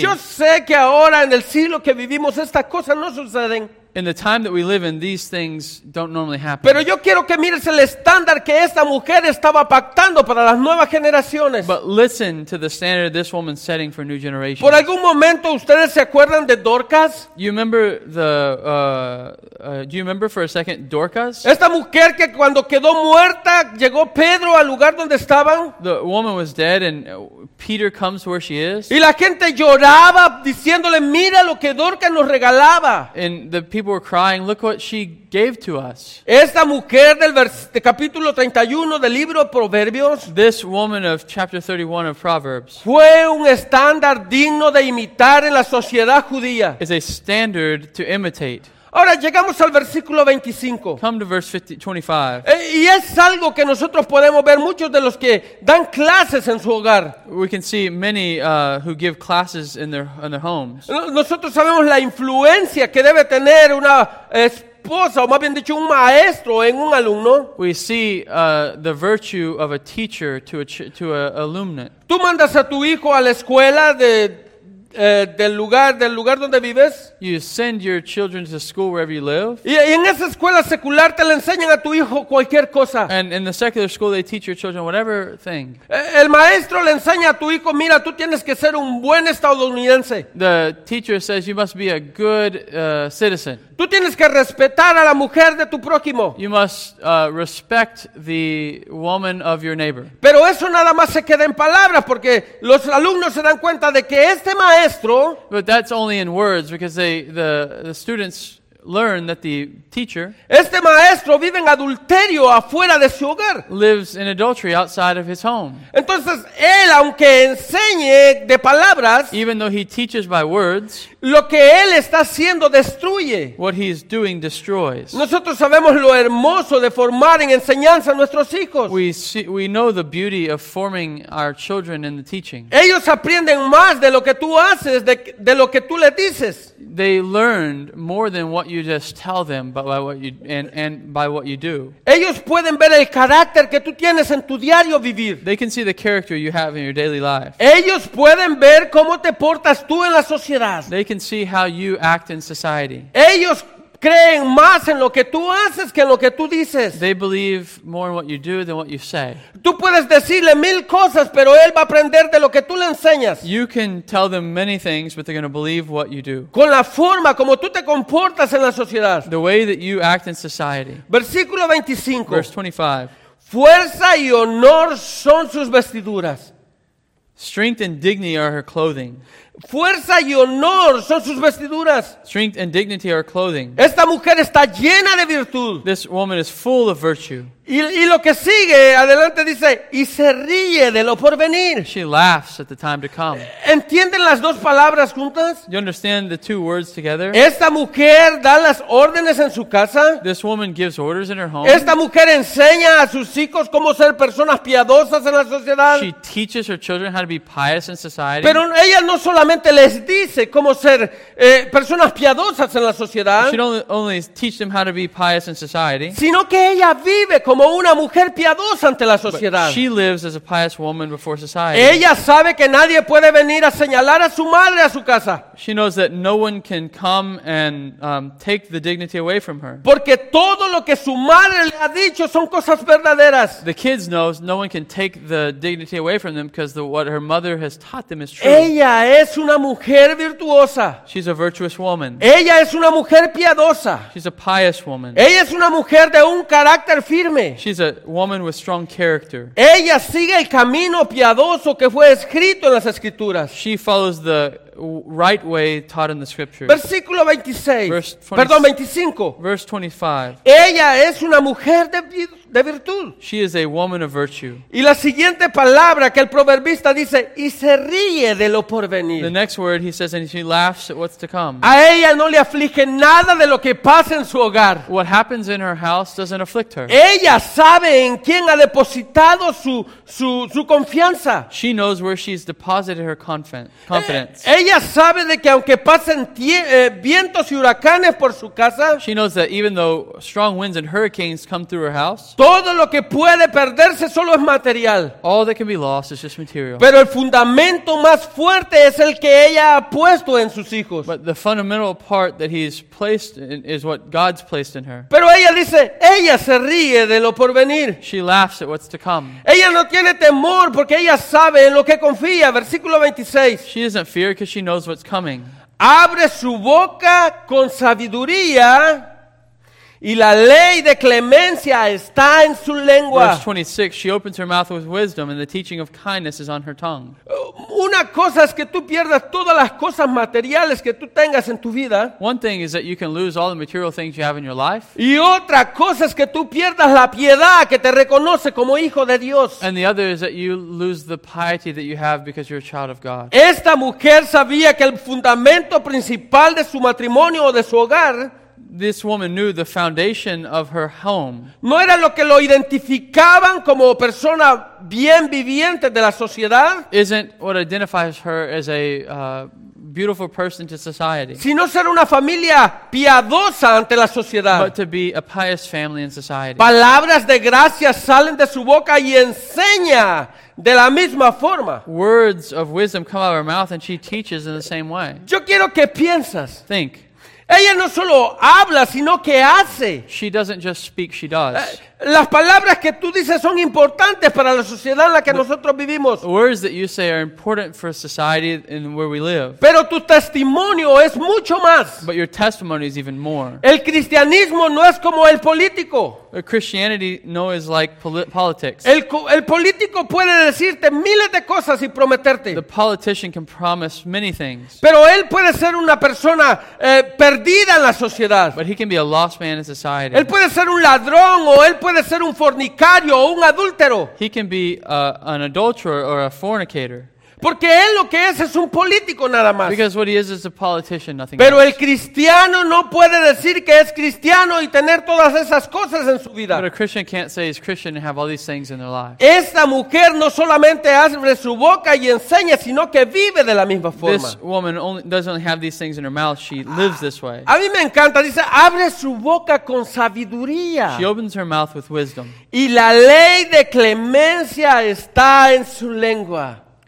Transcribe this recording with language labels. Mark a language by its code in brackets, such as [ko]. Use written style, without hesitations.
[es] Yo sé que ahora en el siglo que vivimos estas cosas no suceden. [en] In the time that we live in, these things don't normally happen. [es] Pero yo quiero que mires el estándar que esta mujer estaba pactando para las nuevas generaciones. [en] But listen to the standard this woman setting for new generations. [es] Por algún momento ustedes se acuerdan de Dorcas? [en] Do you remember for a second Dorcas? [es] Esta mujer que cuando quedó muerta llegó Pedro al lugar donde estaban. [en] The woman was dead and Peter comes where she is. [es] Y la gente lloraba diciéndole, mira lo que Dorcas nos regalaba. [en] And the people people were crying, look what she gave to us. [es] Esta mujer del capítulo 31 del libro Proverbios, [en] this woman of chapter 31 of Proverbs, [es] fue un estándar digno de imitar en la sociedad judía. [en] Is a standard to imitate. [es] Ahora llegamos al versículo 25. [en] Come to verse 25. [es] Y es algo que nosotros podemos ver muchos de los que dan clases en su hogar. [en] We can see many who give classes in their homes. [es] Nosotros sabemos la influencia que debe tener una esposa, o más bien dicho, un maestro en un alumno. [en] We see the virtue of a teacher to a alumnus. [es] Tú mandas a tu hijo a la escuela del lugar donde vives. [en] You send your children to school wherever you live. [es] Y en esa escuela secular te le enseñan a tu hijo cualquier cosa. [en] And in the secular school they teach your children whatever thing. [es] El maestro le enseña a tu hijo, mira, tú tienes que ser un buen estadounidense. [en] The teacher says you must be a good citizen. [es] Tú tienes que respetar a la mujer de tu prójimo. [en] You must respect the woman of your neighbor. [es] Pero eso nada más se queda en palabras, porque los alumnos se dan cuenta de que este maestro, [en] but that's only in words, because the students learn that the teacher, [es] este maestro vive en adulterio afuera de su hogar, [en] lives in adultery outside of his home. [es] Entonces él, aunque enseñe de palabras, [en] even though he teaches by words, [es] lo que él está haciendo destruye. [en] What he is doing destroys. [es] Nosotros sabemos lo hermoso de formar en enseñanza a nuestros hijos. [en] We know the beauty of forming our children in the teaching. [es] Ellos aprenden más de lo que tú haces, de lo que tú le dices. [en] They learned more than what you just tell them, but by what you and by what you do. [es] Ellos pueden ver el carácter que tú tienes en tu diario vivir. [en] They can see the character you have in your daily life. [es] Ellos pueden ver cómo te portas tú en la sociedad. [en] They can see how you act in society. [es] Ellos creen más en lo que tú haces que en lo que tú dices. [en] They believe more in what you do than what you say. [es] Tú puedes decirle mil cosas, pero él va a aprender de lo que tú le enseñas. [en] You can tell them many things, but they're going to believe what you do. [es] Con la forma como tú te comportas en la sociedad. [en] The way that you act in society. [es] Versículo 25. [en] Verse 25. [es] Fuerza y honor son sus vestiduras. [en] Strength and dignity are her clothing. [es] Fuerza y honor son sus vestiduras. [en] Strength and dignity are clothing. [es] Esta mujer está llena de virtud. [en] This woman is full of virtue. [es] Y lo que sigue adelante dice, y se ríe de lo por venir. [en] She laughs at the time to come. [es] ¿Entienden las dos palabras juntas? [en] You understand the two words together? [es] Esta mujer da las órdenes en su casa. [en] This woman gives orders in her home. [es] Esta mujer enseña a sus hijos cómo ser personas piadosas en la sociedad. [en] She teaches her children how to be pious in society. [es] Pero ella no solamente les dice cómo ser personas piadosas en la sociedad. [en] She don't only teach them how to be pious in society. [es] Sino que ella vive como una mujer piadosa ante la sociedad. [en] But she lives as a pious woman before society. [es] Ella sabe que nadie puede venir a señalar a su madre a su casa. [en] She knows that no one can come and take the dignity away from her. [es] Porque todo lo que su madre le ha dicho son cosas verdaderas. [en] The kids know no one can take the dignity away from them because what her mother has taught them is true. [es] Ella es una mujer virtuosa. [en] She's a virtuous woman. [es] Ella es una mujer piadosa. [en] She's a pious woman. [es] Ella es una mujer de un carácter firme. [en] She's a woman with strong character. [es] Ella sigue el camino piadoso que fue escrito en las escrituras. [en] She follows the right way taught in the scriptures. [es] Versículo 26. Perdón, 25. [en] Verse 25. [es] Ella es una mujer de virtud. [en] She is a woman of virtue. [es] Y la siguiente palabra que el proverbista dice, y se ríe de lo por venir. [en] The next word he says, and she laughs at what's to come. [es] A ella no le aflige nada de lo que pasa en su hogar. [en] What happens in her house doesn't afflict her. [es] Ella sabe en quién ha depositado su confianza. [en] She knows where she's deposited her confidence. [es] Ella sabe de que aunque pasen vientos y huracanes por su casa, [en] she knows that even though strong winds and hurricanes come through her house, [es] todo lo que puede perderse solo es material. [en] All that can be lost is just material. [es] Pero el fundamento más fuerte es el que ella ha puesto en sus hijos. [en] But the fundamental part that he's placed in is what God's placed in her. [es] Pero ella dice, ella se ríe de lo por venir. [en] She laughs at what's to come. [es] Ella no tiene temor porque ella sabe en lo que confía. Versículo 26. [en] She doesn't fear because she knows what's coming. [es] Abre su boca con sabiduría Y la ley de clemencia está en su lengua. [en] Verse 26, she opens her mouth with wisdom and the teaching of kindness is on her tongue. [es] Una cosa es que tú pierdas todas las cosas materiales que tú tengas en tu vida. [en] One thing is that you can lose all the material things you have in your life. [es] Y otra cosa es que tú pierdas la piedad que te reconoce como hijo de Dios. [en] And the other is that you lose the piety that you have because you're a child of God. [es] Esta mujer sabía que el fundamento principal de su matrimonio o de su hogar, [en] this woman knew the foundation of her home. [es] No era lo que lo identificaban como persona bien viviente de la sociedad. [en] Isn't what identifies her as a beautiful person to society. [es] Sino ser una familia piadosa ante la sociedad. [en] But to be a pious family in society. [es] Palabras de gracia salen de su boca y enseña de la misma forma. [en] Words of wisdom come out of her mouth and she teaches in the same way. [es] Yo quiero que piensas. [en] Think. [es] Ella no solo habla, sino que hace. [en] She doesn't just speak, she does. [es] Las palabras que tú dices son importantes para la sociedad en la que nosotros vivimos. [en] Words that you say are important for society in where we live. [es] Pero tu testimonio es mucho más. [en] But your testimony is even more. [es] El cristianismo no es como el político. [en] Christianity no is like politics. [es] El político puede decirte miles de cosas y prometerte. [en] The politician can promise many things. [es] Pero él puede ser una persona perdida en la sociedad. [en] But he can be a lost man in society. [es] Él puede ser un ladrón o él puede ser un fornicario o un adúltero. [en] He can be an adulterer or a fornicator. [es] Porque él lo que es un político nada más. [en] Because what he is a politician, nothing [es] pero [en] else. [es] El cristiano no puede decir que es cristiano y tener todas esas cosas en su vida. [en] But a Christian can't say he's Christian and have all these things in their life. [es] Esta mujer no solamente abre su boca y enseña, sino que vive de la misma forma. [en] This woman only doesn't have these things in her mouth, she lives this way. [es] A mí me encanta, dice, abre su boca con sabiduría. [en] She opens her mouth with wisdom. [es] Y la ley de clemencia está en su lengua.